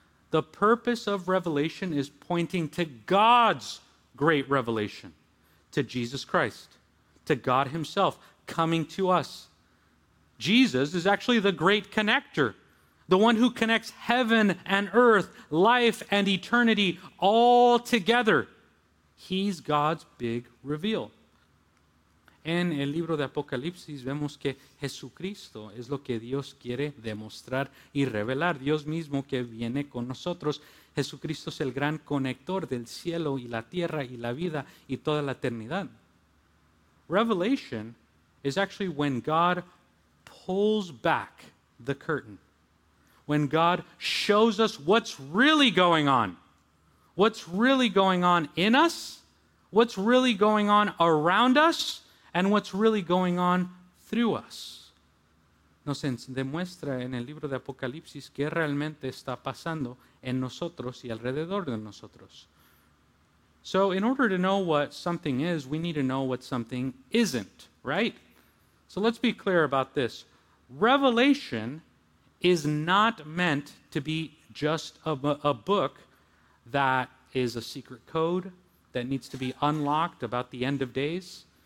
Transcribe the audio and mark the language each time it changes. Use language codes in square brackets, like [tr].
[en] The purpose of Revelation is pointing to God's great revelation, to Jesus Christ, to God himself coming to us. Jesus is actually the great connector, the one who connects heaven and earth, life and eternity all together. He's God's big reveal. [es] En el libro de Apocalipsis vemos que Jesucristo es lo que Dios quiere demostrar y revelar. Dios mismo que viene con nosotros. Jesucristo es el gran conector del cielo y la tierra y la vida y toda la eternidad. [en] Revelation is actually when God pulls back the curtain. When God shows us what's really going on. What's really going on in us. What's really going on around us. And what's really going on through us. [es] Nos demuestra en el libro de Apocalipsis qué realmente está pasando en nosotros y alrededor de nosotros. [en] So in order to know what something is, we need to know what something isn't, right? So let's be clear about this. Revelation is not meant to be just a book that is a secret code that needs to be unlocked about the end of days.